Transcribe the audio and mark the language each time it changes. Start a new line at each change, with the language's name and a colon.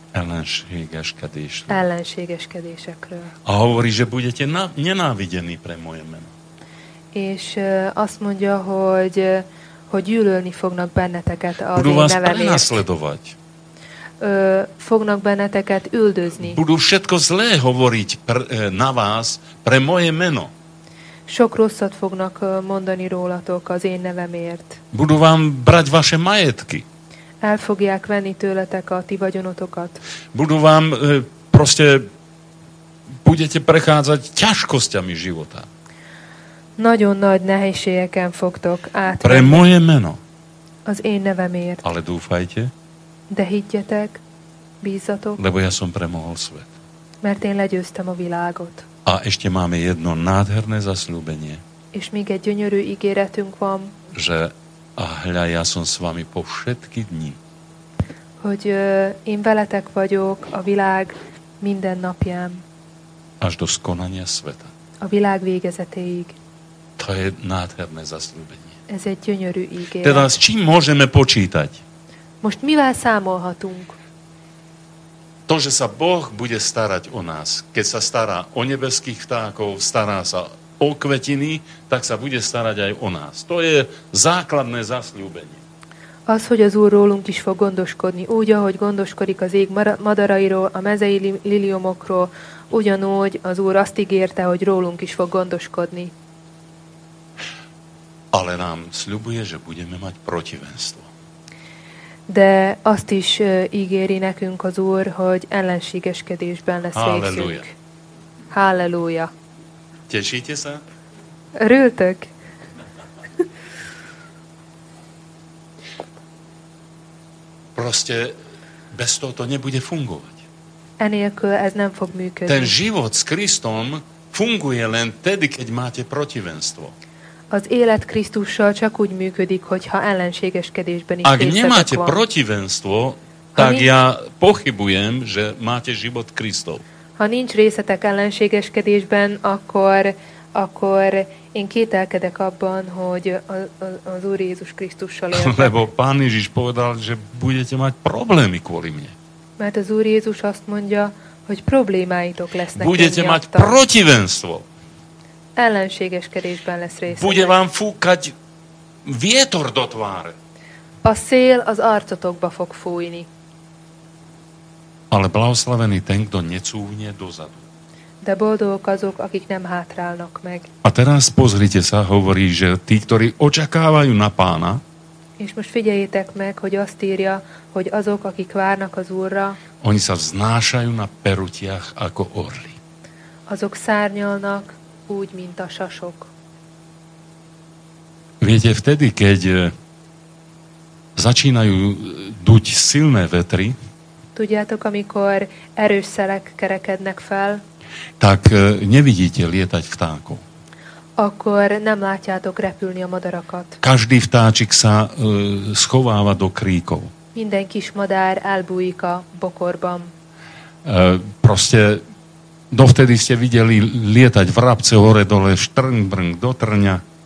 Hungarian: ellenségeskedésekről.
Slovak: A hovorí, že budete nenávidení pre moje meno.
Hungarian: És azt mondja, hogy gyűlölni fognak benneteket a
Slovak: budú vás prenasledovať.
Hungarian: Fognak benneteket üldözni.
Slovak: Budú všetko zlé hovoriť na vás pre moje meno.
Hungarian: Sok rosszat fognak mondani rólatok az én nevemért.
Slovak: Budú vám brať vaše majetky.
Hungarian: El fogják venni tőletek a ti vagyonotokat.
Slovak: Budú vám proste budete prechádzať ťažkosťami života.
Hungarian: Nagyon nagy nehézségeken fogtok átmenni.
Slovak: Pre moje meno.
Hungarian: Az én nevemért.
Slovak: Ale dúfajte.
Hungarian: De higgyetek, bízzatok.
Slovak: Lebo ja som premohol svet.
Hungarian: Mert én legyőztem a világot.
Slovak: A ešte máme jedno nádherné zasľúbenie.
Hungarian: És még egy gyönyörű ígéretünk van.
Slovak: Že a hľa, ja som s vami po všetky dni.
Hungarian: Hogy én veletek vagyok a világ minden napján.
Slovak: Až do skonania sveta.
Hungarian: A világ végezetéig.
Slovak: To je nádherné zasľúbenie.
Hungarian: Ez egy gyönyörű ígéret.
Slovak: Teda s čím môžeme počítať?
Hungarian: Most mivel számolhatunk?
Slovak: To, že sa Boh bude starať o nás, keď sa stará o nebeských vtákov, stará sa o kvetiny, tak sa bude starať aj o nás. To je základné zasľúbenie.
Hungarian: Az, hogy az Úr rólunk is fog gondoskodni, úgy, ahogy gondoskodik az ég madarairól, a mezei liliomokról, ugyanúgy az Úr azt ígérte, hogy rólunk is fog gondoskodni.
Slovak: Ale nám sľubuje, že budeme mať protivenstvo.
Hungarian: De azt is ígéri nekünk az Úr, hogy ellenségeskedésben lesz végzünk. Halleluja. Halleluja.
Slovak: Tešíte sa?
Hungarian: Örültök?
Slovak: Proste bez toho to nebude fungovať.
Hungarian: Enélkül ez nem fog működni.
Slovak: Ten život s Kristom funguje len tedy, keď máte protivenstvo.
Hungarian: Az élet Krisztussal csak úgy működik, hogyha ellenségeskedésben is részletek van.
Slovak: Ak nemáte protivenstvo, tak ja pochybujem, že máte život Kristov.
Hungarian: Ha nincs részletek ellenségeskedésben, akkor én kételkedek abban, hogy az Úr Jézus Krisztussal értek.
Slovak: Lebo Pán Ježiš povedal, že budete mať problémy kvôli mne.
Hungarian: Mert az Úr Jézus azt mondja, hogy problémáitok lesznek.
Slovak: Budete mať protivenstvo.
Hungarian: Ellenségeskedésben lesz részletek.
Slovak: Bude vám fúkať vietor do tváre.
Hungarian: A szél az arcotokba fog fújni.
Slovak: Ale blahoslavený ten, kto necúvne dozadu.
Hungarian: De boldogok azok, akik nem hátrálnak meg.
Slovak: A teraz pozrite sa, hovorí, že tí, ktorí očakávajú na pána.
Hungarian: És most figyeljétek meg, hogy azt írja, hogy azok, akik várnak az Úrra.
Slovak: Oni sa vznášajú na perutiach ako orli.
Hungarian: Azok szárnyalnak úgy, mint a sasok.
Slovak: Viete, vtedy, keď začínajú duť silné vetry,
Hungarian: tudjátok, amikor erős szelek kerekednek fel,
Slovak: tak nevidíte lietať vtákov.
Hungarian: Akkor nem látjátok repülni a madarakat.
Slovak: Každý vtáčik sa schováva do kríkov.
Hungarian: Minden kis madár elbújik a bokorban.
Slovak: Proste dovtedy ste videli lietať vrabce hore-dole, štrng-brng do Trňa.